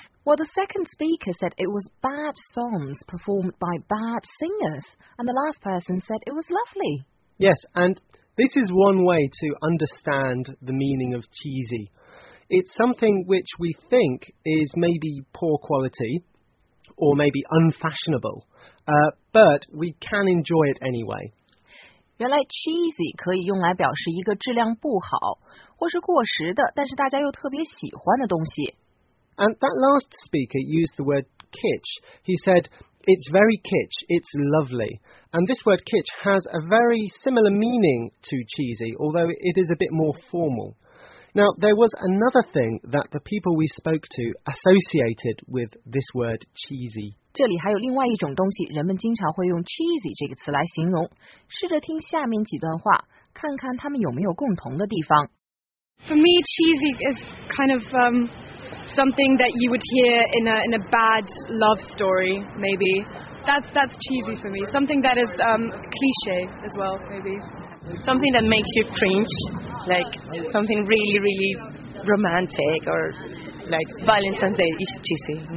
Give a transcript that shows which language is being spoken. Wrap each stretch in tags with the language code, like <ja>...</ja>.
<en>Well, the second speaker said it was bad songs performed by bad singers, and the last person said it was lovely. Yes, and this is one way to understand the meaning of cheesy. It's something which we think is maybe poor quality or maybe unfashionable, but we can enjoy it anyway.</en> <zh>原来 cheesy 可以用来表示一个质量不好或是过时的但是大家又特别喜欢的东西。</zh> <en>And that last speaker used the word kitsch. He said, it's very kitsch, it's lovely. And this word kitsch has a very similar meaning to cheesy, although it is a bit more formal. Now, there was another thing that the people we spoke to associated with this word cheesy.</en> <zh>这里还有另外一种东西人们经常会用 cheesy 这个词来形容。试着听下面几段话看看他们有没有共同的地方。</zh> <en>For me, cheesy is kind of something that you would hear in a bad love story, maybe. That's cheesy for me. Something that is cliche as well, maybe. Something that makes you cringe, like something really, really romantic or like Valentine's Day is cheesy.</en>